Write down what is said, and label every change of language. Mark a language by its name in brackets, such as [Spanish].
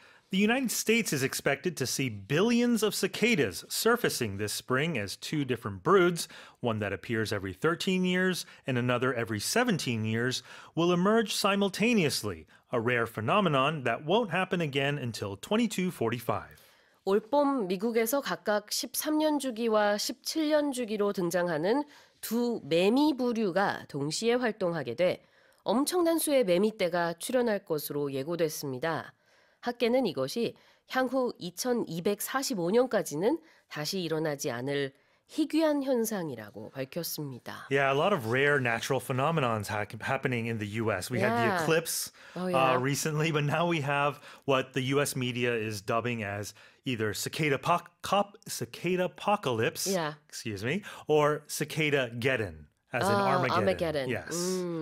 [English] The United States is expected to see billions of cicadas surfacing this spring as two different broods, one that appears every 13 years and another every 17 years, will emerge simultaneously, a rare phenomenon that won't happen again until 2245. [Korean] 올 봄 미국에서 각각 13년 주기와 17년 주기로 등장하는 두 매미 부류가 동시에 활동하게 돼 엄청난 수의 매미 떼가 출현할 것으로 예고됐습니다. 학계는 이것이 향후 2245년까지는 다시 일어나지 않을 희귀한 현상이라고 밝혔습니다. [English] Yeah, a lot of rare natural phenomenons happening in the U.S. We had the eclipse recently, but now we have what the U.S. media is dubbing as either cicada apocalypse, or cicada-geddon, as in Armageddon. Yes.